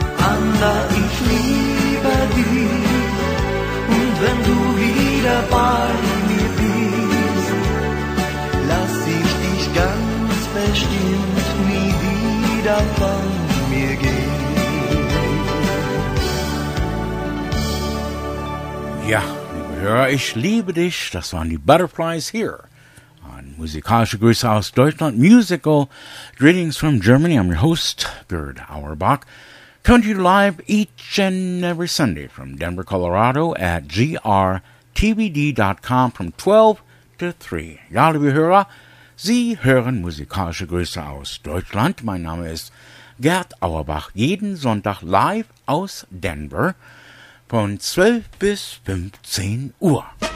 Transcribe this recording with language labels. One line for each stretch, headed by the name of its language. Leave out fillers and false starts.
German: Anna, ich liebe dich, und wenn du wieder bei mir bist, lass ich dich ganz bestimmt nie wieder von mir gehen. Ja, liebe Hörer, ich liebe dich. Das waren die Butterflies hier on Musikalische Grüße aus Deutschland.
English: Musical Greetings from Germany. I'm your host, Gerd Auerbach. Coming to you live each and every Sunday from Denver, Colorado at grtvd.com from 12 to 3.
German: Ja, liebe Hörer, Sie hören Musikalische Grüße aus Deutschland. Mein Name ist Gerd Auerbach. Jeden Sonntag live aus Denver. Von 12 bis 15 Uhr.